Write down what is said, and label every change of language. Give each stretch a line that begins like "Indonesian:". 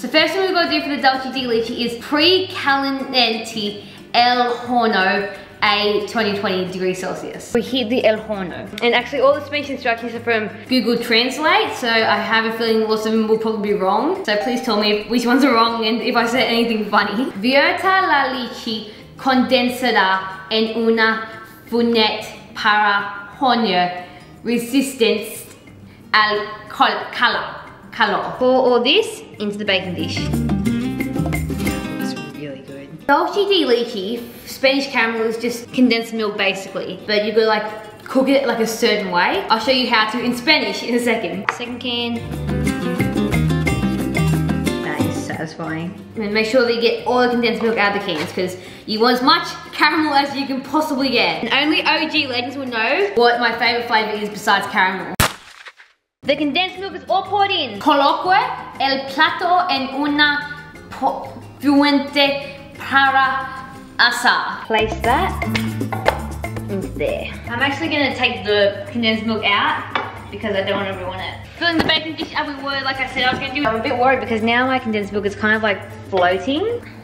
English: So first thing we've got to do for the dulce de leche is
Spanish: pre-calentar el horno
English: a 20 degrees Celsius. We heat the
Spanish: el horno.
English: And actually all the Spanish instructions are from Google Translate, so I have a feeling lots of them will probably be wrong. So please tell me which ones are wrong and if I said anything funny.
Spanish: Vierta la leche condensada en una funet para horno resistente al calor.
English: Pour all this into the baking dish. Dulce de leche, Spanish caramel, is just condensed milk basically, but you've got to like cook it like a certain way. I'll show you how to in Spanish in a second. Second can. That is satisfying. And make sure that you get all the condensed milk out of the cans because you want as much caramel as you can possibly get. And only OG legends will know what my favorite flavor is besides caramel. The condensed milk is all poured in.
Spanish: Coloque el plato en una fuente para asar.
English: Place that into there. I'm actually gonna take the condensed milk out because I don't want to ruin it. Filling the baking dish as we were, like I said, I was gonna do it. I'm a bit worried because now my condensed milk is kind of like floating.